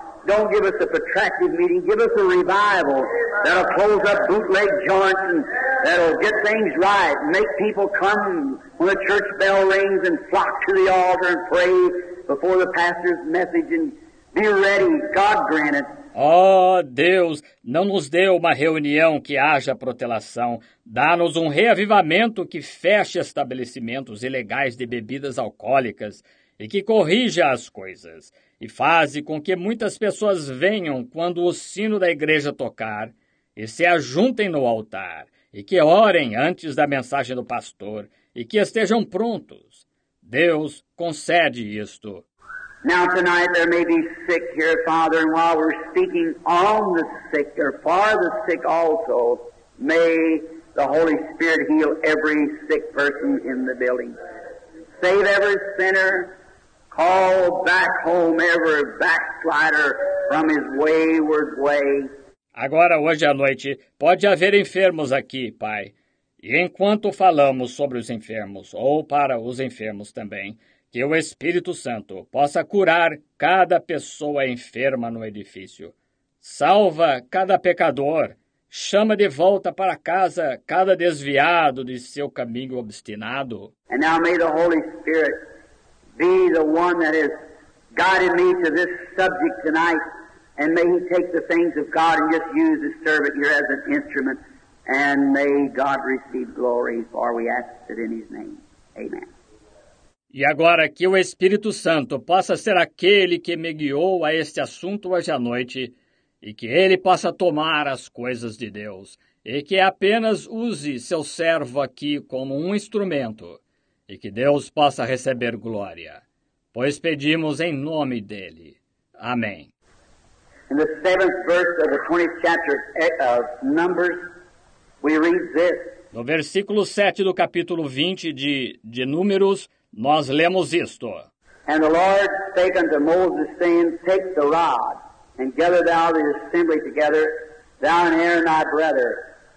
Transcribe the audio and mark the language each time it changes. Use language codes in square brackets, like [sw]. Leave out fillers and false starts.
[en] Don't give us a protracted meeting. Give us a revival that'll close up bootleg joints and that'll get things right and make people come when the church bell rings and flock to the altar and pray before the pastor's message and be ready. God grant it. [pt] Oh, Deus, não nos dê uma reunião que haja protelação. Dá-nos um reavivamento que feche estabelecimentos ilegais de bebidas alcoólicas e que corrija as coisas. E faze com que muitas pessoas venham quando o sino da igreja tocar e se ajuntem no altar e que orem antes da mensagem do pastor e que estejam prontos. Deus concede isto. [en] Now tonight there may be sick here, Father, and while we're speaking on the sick or for the sick also, may the Holy Spirit heal every sick person in the building. Save every sinner. Call back home every backslider from his wayward way. [pt] Agora, hoje à noite, pode haver enfermos aqui, Pai. E enquanto falamos sobre os enfermos, ou para os enfermos também, que o Espírito Santo possa curar cada pessoa enferma no edifício. Salva cada pecador. Chama de volta para casa cada desviado de seu caminho obstinado. [en] And now may the Holy Spirit be the one that has guided me to this subject tonight. And may he take the things of God and just use his servant here as an instrument. And may God receive glory, for we ask it in his name. Amen. [pt] E agora que o Espírito Santo possa ser aquele que me guiou a este assunto hoje à noite e que ele possa tomar as coisas de Deus e que apenas use seu servo aqui como um instrumento e que Deus possa receber glória, pois pedimos em nome dele. Amém. [en] In the 7th verse of the 20th chapter of Numbers, we read this. [pt] No versículo 7 do capítulo 20 de Números, nós lemos isto. [en] And the Lord spake unto Moses, saying, take the rod, and gather thou the assembly together, thou and Aaron thy brother.